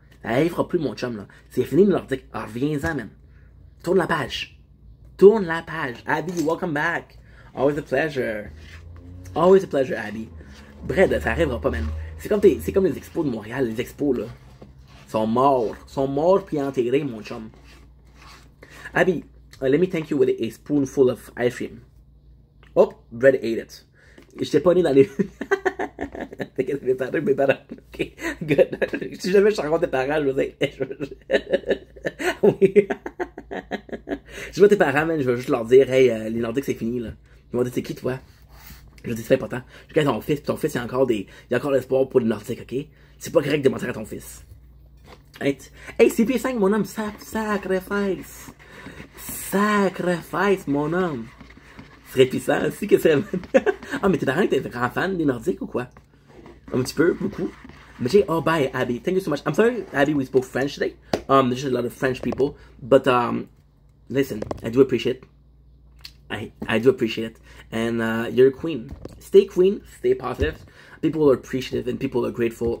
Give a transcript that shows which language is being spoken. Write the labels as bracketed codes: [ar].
[fr] Ça arrivera plus, mon chum, là. C'est fini, les nordiques. Reviens-en, man. Tourne la page. [en] Abby, welcome back. Always a pleasure, Abby. [fr] Brett, ça arrivera pas, man. C'est comme les expos de Montréal, les expos, là. Sont morts puis enterrés, mon chum. [en] Abby, let me thank you with a spoonful of ice cream. Oh, Brad ate it. [fr] J'étais pas né dans les... T'es qu'est-ce que t'es mes parents? [en] Ok, good. [fr] Si jamais je rencontre tes parents, je vais dire... Oui. Je vois tes parents, man, je vais juste leur dire, hey, les Nordiques, c'est fini, là. Ils vont dire, c'est qui, toi? Je dis, c'est important. Je regarde ton fils, puis ton fils, il y a encore l'espoir pour les Nordiques, ok? C'est pas correct de mentir à ton fils. Hey, CP5, mon homme, sacrifice, mon homme. C'est répissant aussi que c'est... Ah, oh, mais t'es d'accord que t'es un grand fan des Nordiques ou quoi? Un petit peu, beaucoup. Mais j'ai... Oh, bye, Abby. [en] Thank you so much. I'm sorry, Abby, we spoke French today. There's just a lot of French people. But, listen, I do appreciate it. And you're a queen. Stay queen, stay positive. People are appreciative and people are grateful.